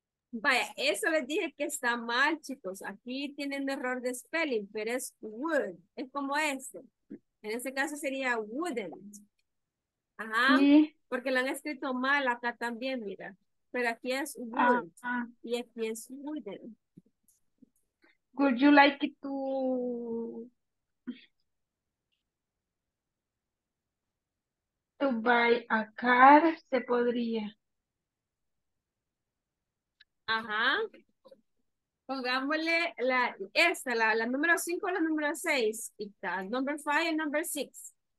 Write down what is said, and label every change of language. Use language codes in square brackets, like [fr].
[es] Vaya, eso les dije que está mal, chicos. Aquí tienen error de spelling, pero es would. Es como este. En este caso sería wouldn't. Ajá, Sí. porque lo han escrito mal acá también, mira. Pero aquí es Ah. would y aquí es wouldn't. [en] Would you like it to buy a car? [es] Se podría. Ajá, pongámosle la esta, la número 5 o la número 6, y está, number 5 y number 6.